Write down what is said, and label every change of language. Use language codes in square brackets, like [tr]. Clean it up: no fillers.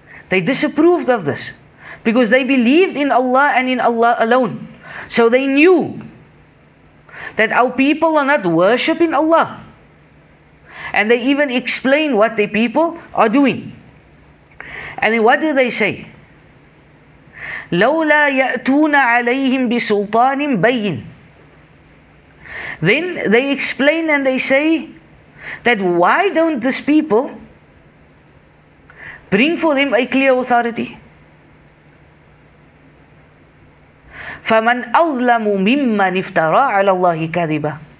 [en] They disapproved of this because they believed in Allah and in Allah alone. So they knew that our people are not worshipping Allah, and they even explain what their people are doing. And then what do they say? [ar] لولا يأتون عليهم بسلطان بين. [en] Then they explain and they say that why don't these people bring for them a clear authority? [ar] فَمَنْ أَظْلَمُ مِمَّنْ افْتَرَى عَلَى اللَّهِ كَذِبًا.